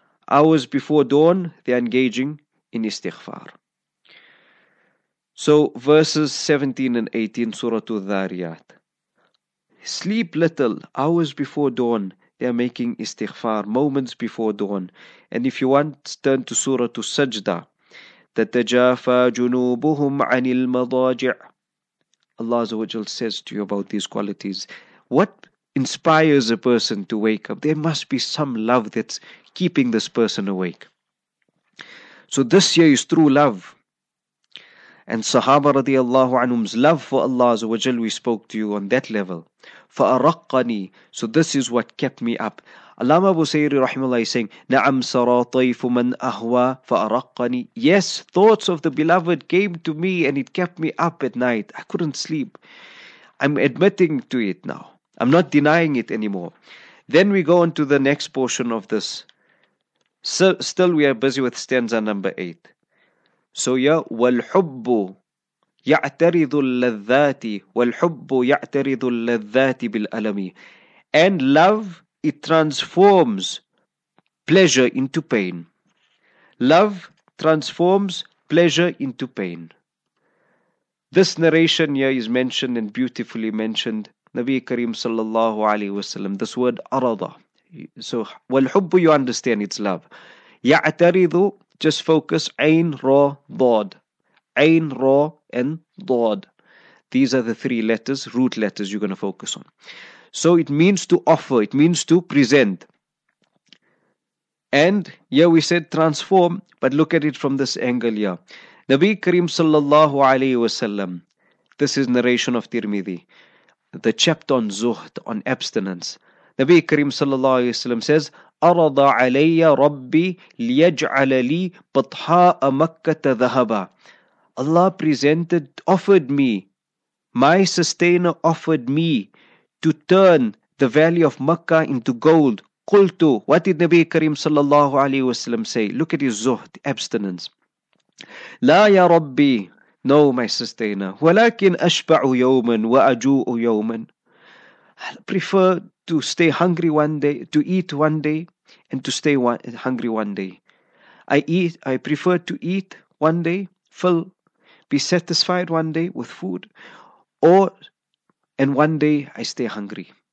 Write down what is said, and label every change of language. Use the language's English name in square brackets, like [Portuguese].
[English] Hours before dawn, they're engaging in istighfar. So verses 17 and 18, Surah Al-Dhariyat. Sleep little, hours before dawn, they're making istighfar, moments before dawn. And if you want, turn to Surah Al-Sajda. [Arabic] تَتَجَافَى جُنُوبُهُمْ عَنِ الْمَضَاجِعِ. [English] Allah Azza wa Jal says to you about these qualities. What inspires a person to wake up? There must be some love that's keeping this person awake. So this year is true love. And Sahaba radiallahu anhum's love for Allah Azza wa Jal, we spoke to you on that level. [Arabic] فَأَرَقَّنِي. [English] So this is what kept me up. Allama Abu Sayyiri rahimahullah is saying, [Arabic] نَعَمْ سَرَى طَيْفُ مَنْ أَهْوَى فَأَرَقَّنِي. [English] Yes, thoughts of the beloved came to me and it kept me up at night. I couldn't sleep. I'm admitting to it now. I'm not denying it anymore. Then we go on to the next portion of this. So, still we are busy with stanza number 8. So yeah, [Arabic] وَالْحُبُّ يَعْتَرِضُ اللَّذَّاتِ وَالْحُبُّ يَعْتَرِضُ اللَّذَّاتِ بِالْأَلَمِ. [English] And love, it transforms pleasure into pain. Love transforms pleasure into pain. This narration here is mentioned and beautifully mentioned. Nabi Kareem sallallahu alayhi wa sallam, this word arada. So, وَالْحُبُّ, you understand it's love. [Arabic] يَعْتَرِضُ, [English] just focus, [Arabic] عَيْن, رَا, ضَاد. عَيْن, رَا, and ضَاد. [English] These are the three letters, root letters you're going to focus on. So it means to offer, it means to present. And here we said transform, but look at it from this angle here. Nabi Kareem sallallahu alayhi wa sallam, this is narration of Tirmidhi, the chapter on zuhd, on abstinence. Nabi Kareem sallallahu alayhi wa sallam says, [Arabic] أَرَضَ عَلَيَّ رَبِّي لِيَجْعَلَ لِي بَطْحَاءَ مَكَّةَ ذَهَبًا. [English] Allah presented, offered me, my sustainer offered me to turn the valley of Makkah into gold. Qultu, what did Nabi Kareem sallallahu alayhi wa sallam say? Look at his zuhd, abstinence. [Arabic] La ya Rabbi, [English] No, my sustainer. [Arabic] ولكن أشبع يوما وأجوع يوما. [English] I prefer to stay hungry one day, to eat one day, and to stay hungry one day. I prefer to eat one day, full, be satisfied one day with food, and one day I stay hungry.